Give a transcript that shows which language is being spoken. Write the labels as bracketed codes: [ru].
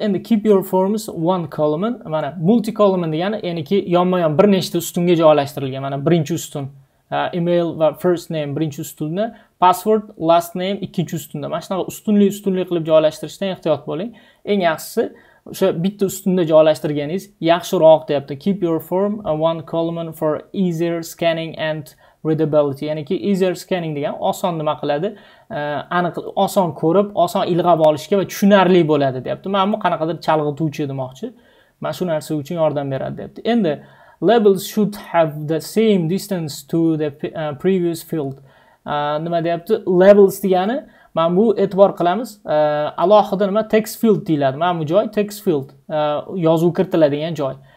[uz] Endi [en] keep your forms one column, [uz] mana multi column degani ya'niki yonma-yon bir nechta ustunga joylashtirilgan, mana birinchi ustun email va first name birinchi ustunda, password last name ikkinchi ustunda. Mana shunaqa ustunlik ustunlik qilib joylashtirishdan ehtiyot bo'ling. Eng yaxshisi o'sha bitta ustunda joylashtirganingiz yaxshiroq deyapti. [en] Keep your form one column for easier scanning and readability. [uz] Ya'niki easier scanning degan oson nima qiladi? Aniq oson ko'rib, oson ilg'ab olishga va tushunarli bo'ladi deyapti. Mana bu qanaqadir chalg'ituvchi demoqchi. Mana shu narsa uchun yordam beradi deyapti. [en] Endi labels should have the same distance to the previous field. [uz] Nima deyapti? Labels degani mana bu e'tibor qilamiz. Alohida nima text field deyiladi. Mana bu joy text field. Yozuv kiritiladigan joy.